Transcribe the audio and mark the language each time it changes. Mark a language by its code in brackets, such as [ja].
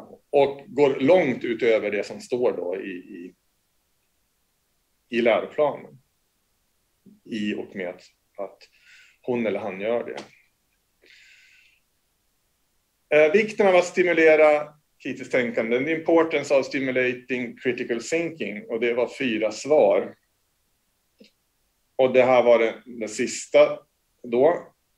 [sv] Och går långt utöver det som står då i läroplanen. I och med att hon eller han gör det. Vikten av att stimulera kritiskt tänkande. [en] The importance of stimulating critical thinking. [sv] Och det var fyra svar. Och det här var det sista då.